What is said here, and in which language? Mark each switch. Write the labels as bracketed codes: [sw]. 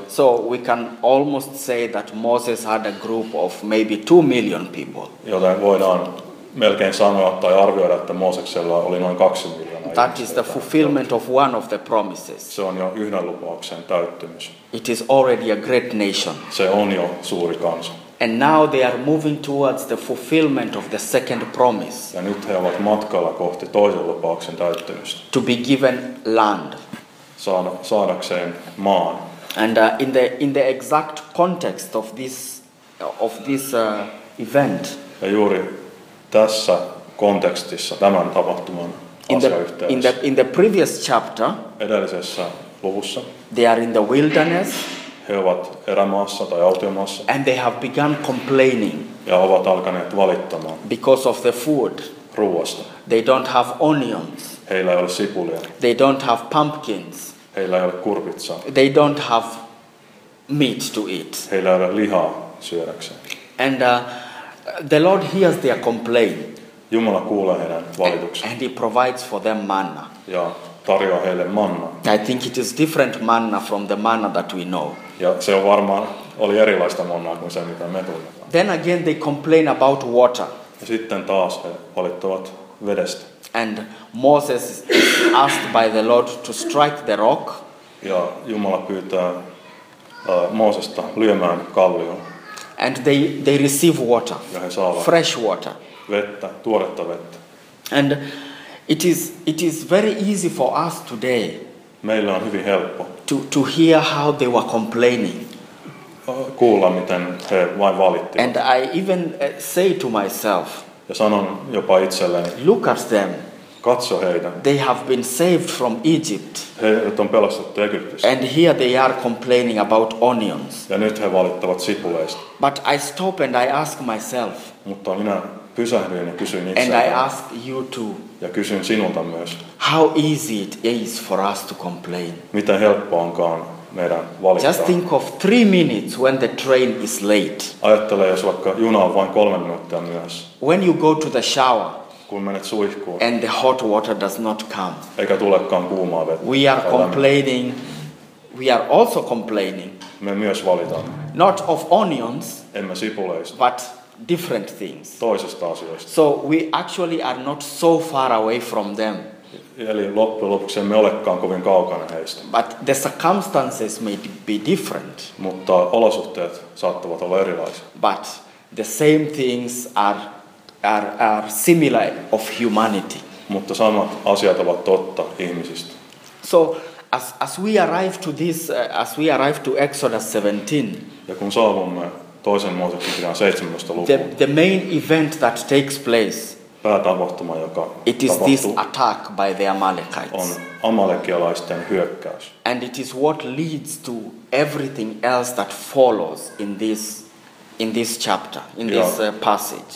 [en] so we can almost say that Moses had a group of maybe 2 million people. [fi] Joten voidaan melkein sanoa tai arvioida, että Mooseksella oli noin 2 miljoonaa. [en] That is the fulfillment of one of the promises. [fi] Se on jo yhden lupauksen täyttymys. [en] It is already a great nation. [fi] Se on jo suuri kansa. [en] And now they are moving towards the fulfillment of the second promise. [fi] Ja nyt he ovat matkalla kohti toisen lupauksen täyttymystä. [en] To be given land. [fi] Saadakseen maan. [en] And in the exact context of this event. [fi] Ja juuri tässä kontekstissa tämän tapahtuman asiayhteydessä. [en] In the previous chapter. [fi] Edellisessä luvussa. [en] They are in the wilderness. [fi] He ovat erämaassa tai autiomaassa. [en] And they have begun complaining. [fi] Ja ovat alkaneet valittamaan. [en] Because of the food. [fi] Ruoasta. [en] They don't have onions. [fi] Heillä ei ole sipulia. [en] They don't have pumpkins. [fi] Heillä ei ole kurpitsaa. [en] They don't have meat to eat. [fi] Heillä ei ole lihaa syödäkseen. [en] And the Lord hears their complaint. [fi] Jumala kuulee heidän valituksen. [en] And he provides for them manna. [fi] Ja tarjoaa heille manna. [en] I think it is different manna from the manna that we know. [fi] Ja se on varmaan oli erilaista mannaa kuin se mitä me tunnetaan. [en] Then again they complain about water. [fi] Ja sitten taas he valittavat vedestä. [en] And Moses is asked by the Lord to strike the rock. [fi] Ja Jumala pyytää Moosesta lyömään kallion. [en] And they receive water. [fi] Ja he saavat [en] fresh water. [fi] Vettä, tuoretta vettä. [en] And It is very easy for us today. [fi] Meillä on hyvin helppo. [en] To hear how they were complaining. [fi] Kuulla miten he vain valittivat. [en] And I even say to myself. [fi] Ja sanon jopa itselleni. [en] Look at them. [fi] Katso heitä. [en] They have been saved from Egypt. [fi] Heidät on pelastettu Egyptistä. [en] And here they are complaining about onions. [fi] Ja nyt he valittavat sipuleista. [en] But I stop and I ask myself. [fi] Mutta minä pysähdyin ja kysyin itseäni. [en] And I ask you too. [fi] Ja kysyn sinulta myös. [en] How easy it is for us to complain. [fi] Miten helppoa onkaan meidän valittaa. [en] Just think of 3 minutes when the train is late. [fi] Ajattele, jos vaikka juna on vain 3 minuuttia myöhässä. [en] When you go to the shower. [fi] Kun menet suihkuun. [en] And the hot water does not come. [fi] Eikä tulekaan kuumaa vettä. [en] We are complaining. We are also complaining. [fi] Me myös valitaan. [en] Not of onions. [fi] Emme sipuleista. [en] But different things. [fi] Toisista asioista. [en] So we actually are not so far away from them. [fi] Eli loppujen lopuksi emme olekaan kovin kaukana heistä. [en] But the circumstances may be different. [fi] Mutta olosuhteet saattavat olla erilaisia. [en] But the same things are similar of humanity. [fi] Mutta samat asiat ovat totta ihmisistä. [en] So as we arrive to this as we arrive to Exodus 17. [fi] Ja kun saavumme toisen Mooseksen kirjan 17. lukuun. [en] The main event that takes place. [fi] Päätapahtuma, joka [en] it is this attack by the Amalekites. [fi] On amalekialaisten hyökkäys. [en] And it is what leads to everything else that follows in this chapter, passage.